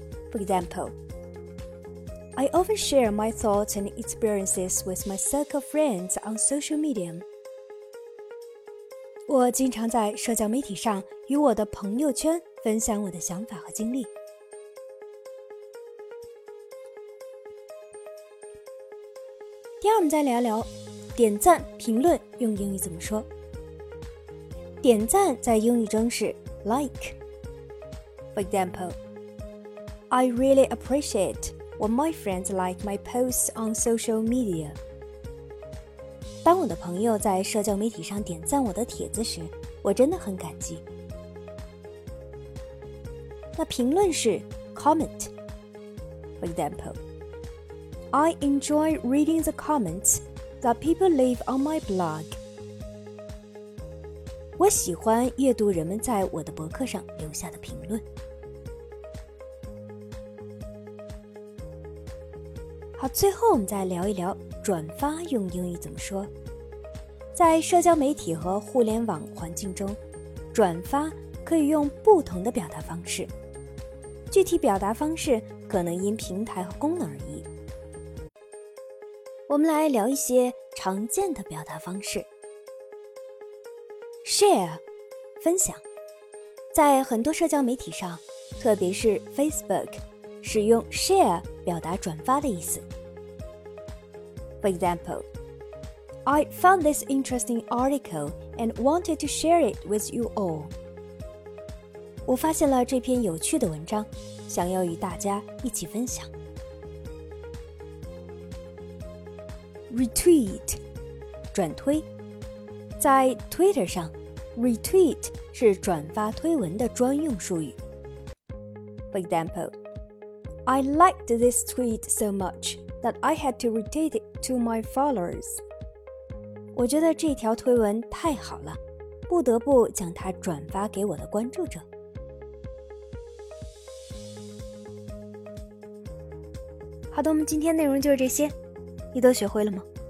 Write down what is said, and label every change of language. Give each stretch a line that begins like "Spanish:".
English: For example,I often share my thoughts and experiences with my circle of friends on social media.
Chinese: 我经常在社交媒体上与我的朋友圈分享我的想法和经历。第二，我们再聊聊点赞评论用英语怎么说。点赞在英语中是 like.
English: For example, I really appreciate. When my friends like my posts on social media.
Chinese: 当我的朋友在社交媒体上点赞我的帖子时，我真的很感激。那评论是 comment.
English: For example, I enjoy reading the comments that people leave on my blog.
Chinese: 我喜欢阅读人们在我的博客上留下的评论。好，最后我们再聊一聊转发用英语怎么说。在社交媒体和互联网环境中，转发可以用不同的表达方式，具体表达方式可能因平台和功能而异。我们来聊一些常见的表达方式。 share 分享，在很多社交媒体上，特别是 Facebook，使用 share 表达转发的意思。
English: For example, I found this interesting article and wanted to share it with you all.
Chinese: 我发现了这篇有趣的文章，想要与大家一起分享。 Retweet 转推，在 Twitter 上 Retweet 是转发推文的专用术语。
English: For exampleI liked this tweet so much that I had to retweet it to my followers.
Chinese: 我觉得这条推文太好了，不得不将它转发给我的关注者。好的，我们今天内容就是这些，你都学会了吗？